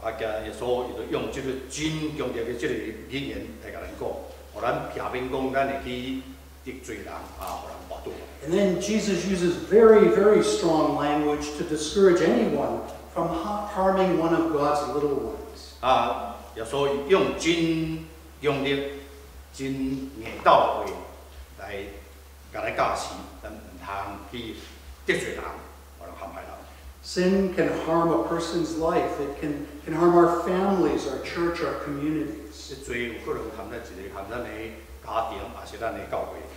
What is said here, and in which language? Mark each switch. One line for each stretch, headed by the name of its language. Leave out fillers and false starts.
English: And And then Jesus uses very, very strong language to discourage anyone from harming one of God's little ones.
Min Nan Chinese: 有时候用真硬道理来教示，但唔通去得罪人，或者陷害人。
English: Sin can harm a person's life. It can harm our families, our church, our communities.
Min Nan Chinese: 罪有可能陷在自己，陷在你家庭，或是咱的教会。